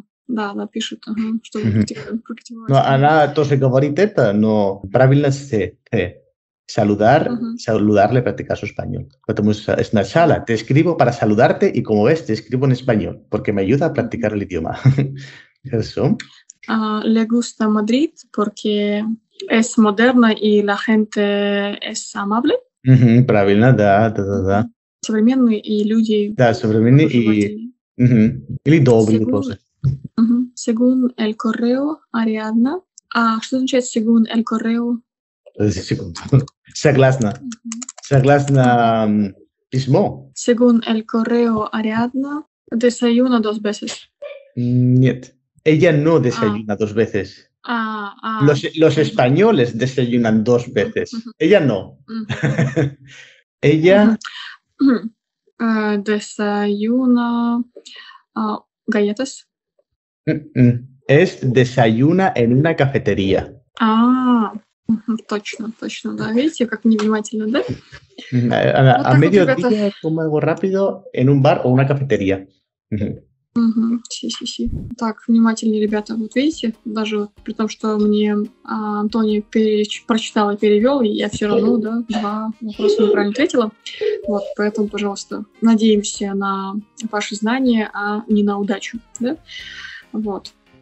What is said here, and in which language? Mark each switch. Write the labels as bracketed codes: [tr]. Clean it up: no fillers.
[ru] Да, пишет, что практикует. Но она тоже говорит это, но правильно сказать. [es] Saludarle y practicar su español. [ru] Потому что [es] es una sala. Te escribo para saludarte y como ves, te escribo en español, porque me ayuda a practicar el idioma. Eso. Le gusta Madrid porque es moderna y la gente es amable. [ru] Правильно, да. Современные и люди... Да, современные и... Или добрые тоже. [es] Según el correo, Ариадна. [ru] А что означает [es] según el correo? [ru] Согласна. Согласна письмо. [es] Según el correo, Ариадна desayuna dos veces. [ru] Нет. [es] Ella no desayuna dos veces. Los españoles desayunan dos veces. Ella no. Ella... Desayuna galletas. Es desayuna en una cafetería. [ru] Точно, точно, да. Видите, как невнимательно, да? [es] А мediodía como algo rápido en un bar o una cafetería. Sí. [ru] Так, внимательнее, ребята. Вот видите, даже вот при том, что мне Антони прочитал и перевел, и я все равно, да, два вопроса неправильно ответила. Вот, поэтому, пожалуйста, надеемся на ваши знания, а не на удачу, да? Вот.